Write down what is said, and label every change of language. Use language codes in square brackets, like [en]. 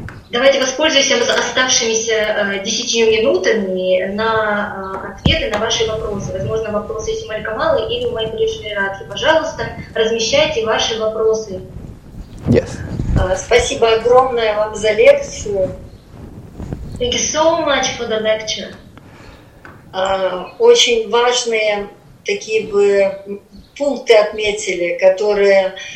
[ru] Давайте воспользуемся оставшимися 10 минутами на ответы на ваши вопросы. Возможно, вопросы есть у Малика Малы или у Майи Пурешвари Радхи. Пожалуйста, размещайте ваши вопросы. [en] Yes. [ru] Спасибо огромное вам за лекцию. [en] Thank you so much for the lecture. [ru] Очень важные такие бы пункты отметили, которые...